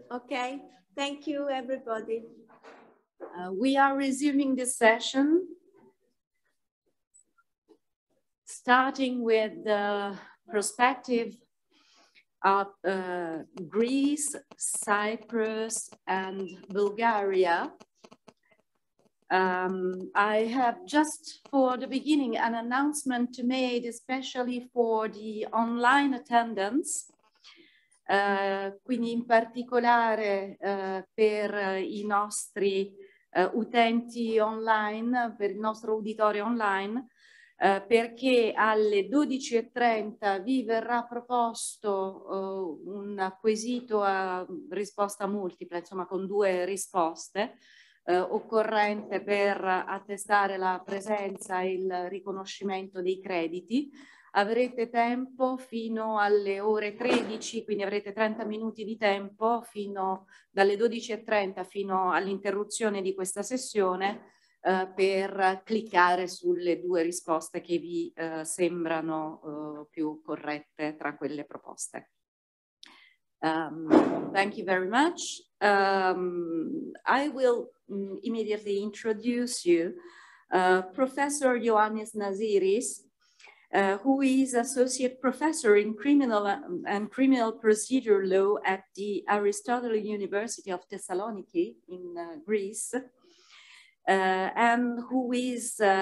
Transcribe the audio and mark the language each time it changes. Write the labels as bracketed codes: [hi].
[en] Okay, thank you everybody. We are resuming the session, starting with the perspective of Greece, Cyprus, and Bulgaria. I have just for the beginning an announcement to make, especially for the online attendance. [it] Quindi in particolare per i nostri utenti online, per il nostro uditorio online, perché alle 12.30 vi verrà proposto un quesito a risposta multipla, insomma con due risposte, occorrente per attestare la presenza e il riconoscimento dei crediti. Avrete tempo fino alle ore 13, quindi avrete 30 minuti di tempo fino dalle 12.30 fino all'interruzione di questa sessione per cliccare sulle due risposte che vi sembrano più corrette tra quelle proposte. [en] Thank you very much. I will immediately introduce you Professor Ioannis Naziris, who is Associate Professor in Criminal and Criminal Procedure Law at the Aristotle University of Thessaloniki in Greece, and who is